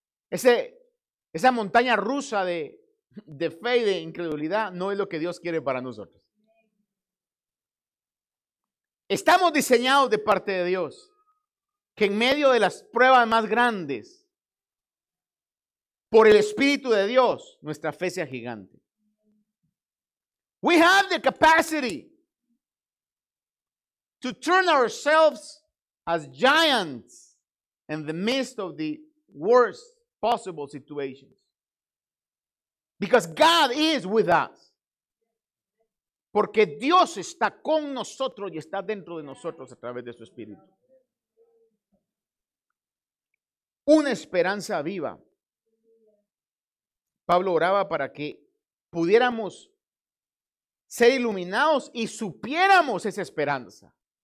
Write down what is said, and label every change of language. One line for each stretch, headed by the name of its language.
Spanish: Esa montaña rusa de fe y de incredulidad no es lo que Dios quiere para nosotros. Estamos diseñados de parte de Dios que en medio de las pruebas más grandes, por el Espíritu de Dios, nuestra fe sea gigante.
English: We have the capacity to turn ourselves as giants in the midst of the worst possible situations. Because God is with us.
Spanish: Porque Dios está con nosotros y está dentro de nosotros a través de su Espíritu. Una esperanza viva. Pablo oraba para que pudiéramos ser iluminados y supiéramos esa esperanza.